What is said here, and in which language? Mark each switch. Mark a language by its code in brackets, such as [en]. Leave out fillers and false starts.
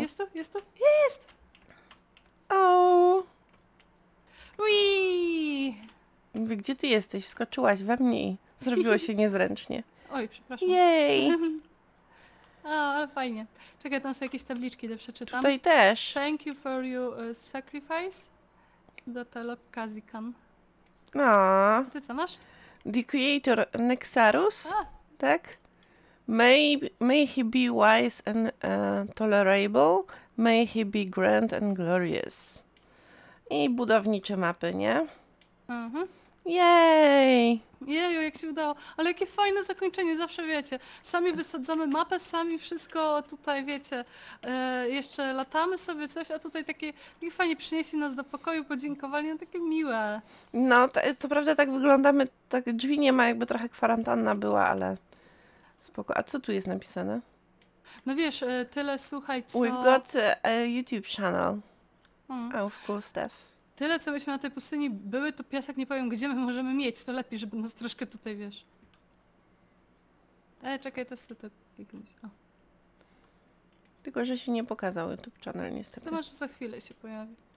[pl] Jest to? Jest to? Jest! Au. Wii. Gdzie ty jesteś? Skoczyłaś we mnie i zrobiło się niezręcznie. Oj, przepraszam. Jej! O, ale fajnie. Czekaj, tam są jakieś tabliczki, które przeczytam. Tutaj też. [en] Thank you for your sacrifice. Dotalop Kazikan. [pl] No. Ty co masz? [en] The creator Nexarus. A. [pl] Tak? [en] May he be wise and tolerable. May he be grand and glorious. [pl] I budowniczy mapy, nie? Jej! Jeju, jak się udało. Ale jakie fajne zakończenie, zawsze wiecie. Sami wysadzamy mapę, sami wszystko tutaj, wiecie, jeszcze latamy sobie coś, a tutaj takie i fajnie przynieśli nas do pokoju, podziękowali, no takie miłe. No, to prawda, tak wyglądamy, tak drzwi nie ma, jakby trochę kwarantanna była, ale spoko. A co tu jest napisane? No wiesz, tyle słuchaj, co... [en] We've got a YouTube channel. Of course, Steph. [pl] Tyle, co byśmy na tej pustyni były, to piasek nie powiem, gdzie my możemy mieć. To lepiej, żeby nas troszkę tutaj, wiesz. Czekaj, to jest to. Tylko, że się nie pokazał YouTube channel, niestety. To może za chwilę się pojawi.